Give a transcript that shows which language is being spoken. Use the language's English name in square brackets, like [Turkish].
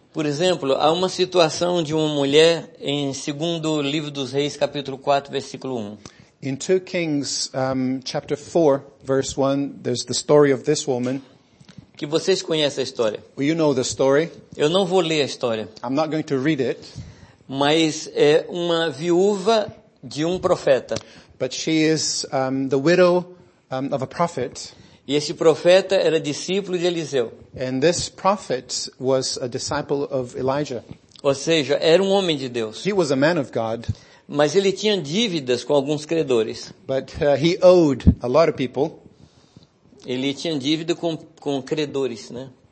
[Portuguese] Por exemplo, há uma situação de uma mulher em segundo livro dos Reis, capítulo 4, versículo 1. [English] In 2 Kings chapter 4 verse 1, there's the story of this woman. [Portuguese] Que vocês conhecem a história. [English] Well, you know the story. [Portuguese] Eu não vou ler a história. [English] I'm not going to read it. [Portuguese] Mas é uma viúva de um profeta. [English] But she is the widow of a prophet. [Portuguese] E esse profeta era discípulo de Eliseu. [English] And this prophet was a disciple of Elijah. [Portuguese] Ou seja, era um homem de Deus. [English] He was a man of God. [Portuguese] Mas ele tinha dívidas com alguns credores. [English] But he owed a lot of people. [Portuguese] Ele tinha dívida com credores, né?